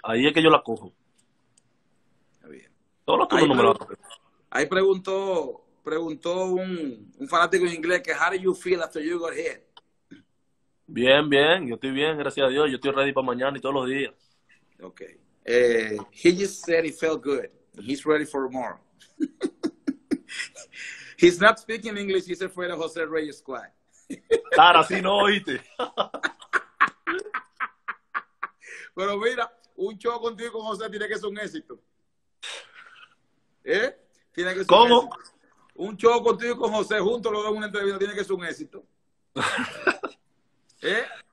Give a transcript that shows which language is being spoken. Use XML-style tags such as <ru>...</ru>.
<es>Ahí es que yo la cojo. Todos los turnos Ahí no me la van a pegar. preguntó un fanático en inglés que</es> <en>how do you feel after you got hit?</en> <es>Bien, bien, yo estoy bien, gracias a Dios. Yo estoy ready para mañana y todos los días.</es> <en>Okay. He just said he felt good. He's ready for more. He's not speaking English. He's afraid of José Reyes Squad.</en> <es>Claro, así no oíste. Pero mira, un show contigo y con José tiene que ser un éxito. ¿Eh? Tiene que ser un ¿Cómo? éxito. Un show contigo y con José juntos luego en una entrevista tiene que ser un éxito. ¿Eh?</es>